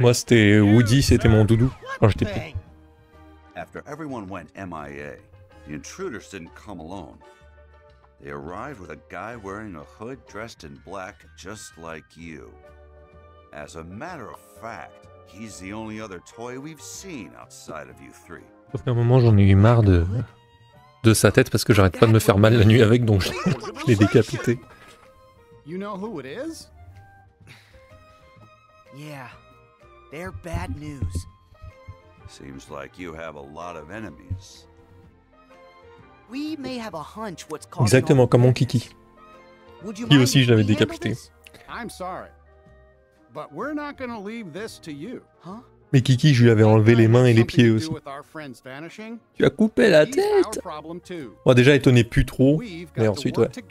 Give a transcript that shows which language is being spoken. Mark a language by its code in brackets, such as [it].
[fr] Moi, c'était Woody, c'était mon doudou quand j'étais petit. [en] After everyone went MIA, the intruders didn't come alone. They arrived with a guy wearing a hood dressed in black, just like you. As a matter of fact, he's the only other toy we've seen outside of you three. [fr] Sauf qu'à un moment, j'en ai eu marre de sa tête parce que j'arrête pas de me faire mal la nuit avec, donc je l'ai décapité. [en] You know who it is? Yeah, they're bad news. Seems like you have a lot of enemies. We may have a hunch what's causing. [fr] Exactement comme mon Kiki. Qui aussi je l'avais décapité. [en] I'm sorry, but we're not gonna leave this to you. Huh? [fr] Mais Kiki, je lui avais enlevé les mains et les pieds aussi. Tu as coupé la tête. Moi déjà, il tenait plus trop, mais ensuite, ouais.